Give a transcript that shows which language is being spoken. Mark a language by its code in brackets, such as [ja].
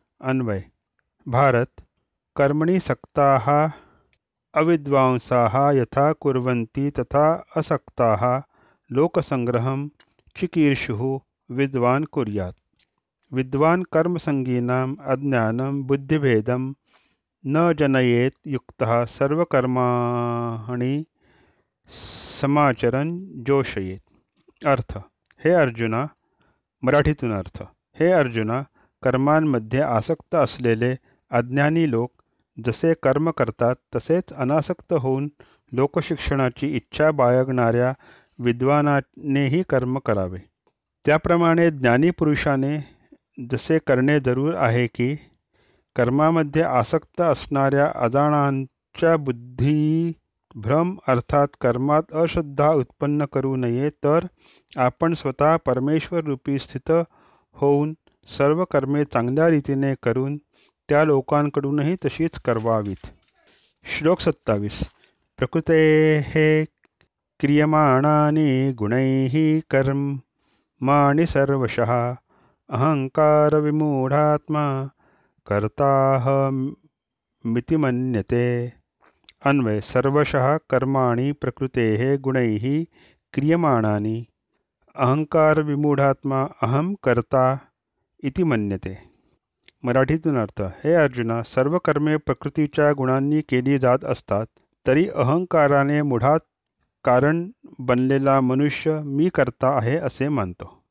[sa] अन्वय भारत, कर्मणि सक्ताः अविद्वांसाः यथा कुर्वन्ति तथा असक्ताः लोकसंग्रहं चिकीर्षुः विद्वान् कुर्यात्। विद्वान् कर्मसंगीनाम् अज्ञानं बुद्धिभेदं न जनयेत् युक्तः सर्वकर्माणि समाचरन् जोषयेत्। [mr] अर्थ, हे अर्जुना, मराठीतून अर्थ, हे अर्जुना, कर्मांमध्ये आसक्त असलेले अज्ञानी लोक जसे कर्म करतात, तसेच अनासक्त होऊन लोकशिक्षणाची इच्छा बाळगणाऱ्या विद्वानानेही कर्म करावे। त्याप्रमाणे ज्ञानी पुरुषाने जसे करणे जरूर आहे की कर्मामध्ये आसक्त असणाऱ्या अजाणांच्या बुद्धी भ्रम अर्थात कर्मात अश्रद्धा उत्पन्न करू नये, तर आपण स्वतः परमेश्वर रूपी स्थित होऊन सर्व कर्मे चांगल्या रीतीने करून त्या लोकांकडूनही तशीच करवावीत। श्लोक 27। [sa] प्रकृते हे क्रियमाणानि गुणैः कर्माणि सर्वशः, अहंकार विमूढात्मा कर्ताहमिति मन्यते। अन्वय सर्वशः कर्माणि प्रकृतेः गुणैः क्रियमाणानि, अहंकार विमूढात्मा अहम कर्ता इति मन्यते। [mr] मराठीतून अर्थ, हे अर्जुना, सर्व कर्मे प्रकृतीच्या गुणांनी केली जात असतात, तरी अहंकाराने मुढात कारण बनलेला मनुष्य मी कर्ता आहे असे मानतो।